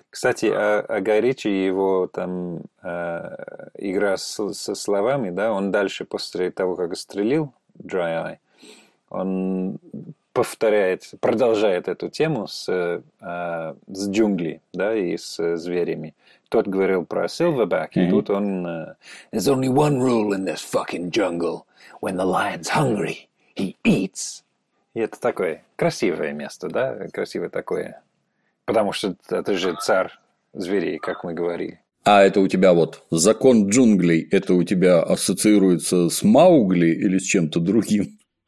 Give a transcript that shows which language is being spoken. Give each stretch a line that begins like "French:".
Russian: Кстати, о Гай Ричи, его там игра со словами, да, он дальше после того, как стрелил Dry Eye, он продолжает эту тему с джунглей, да, и с зверями. Тот говорил про Silverback, и тут он...
English: There's only one rule in this fucking jungle. When the lion's hungry, he eats.
Russian: И это такое красивое место, да, красивое такое, потому что это же царь зверей, как мы говорили. А это у тебя вот закон джунглей, это у тебя ассоциируется с Маугли или с чем-то другим?